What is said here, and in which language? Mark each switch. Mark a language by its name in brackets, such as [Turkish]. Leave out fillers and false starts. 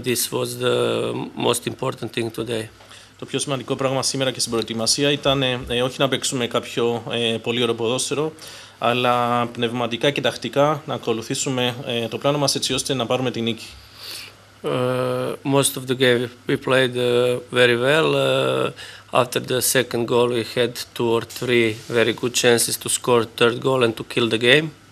[English] This was the most important thing today. [Greek] Το πιο σημαντικό πράγμα σήμερα και στην προετοιμασία ήταν όχι να παίξουμε κάποιο πολύ ωραίο ποδόσφαιρο, αλλά πνευματικά και τακτικά να ακολουθήσουμε το πλάνο μας έτσι ώστε να πάρουμε την νίκη. [English] Most of the game we played very well. After the second goal we had two or three very good chances to score third goal and to kill the game.